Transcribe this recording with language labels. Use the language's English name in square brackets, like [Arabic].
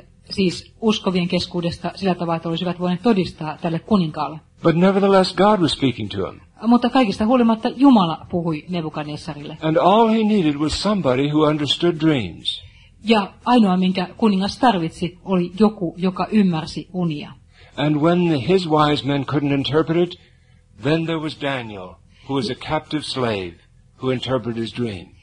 [Finnish] Siis uskovien keskuudesta sillä tavalla, että olisivat voineet todistaa tälle kuninkaalle. [English] But nevertheless, God was speaking to him. [Finnish] Mutta kaikista huolimatta Jumala puhui Nebukadnessarille. [English] And all he needed was somebody who understood dreams. [Finnish] Ja ainoa, minkä kuningas tarvitsi, oli joku, joka ymmärsi unia. [English] And when his wise men couldn't interpret it, then there was Daniel, who was a captive slave, who interpreted his dream.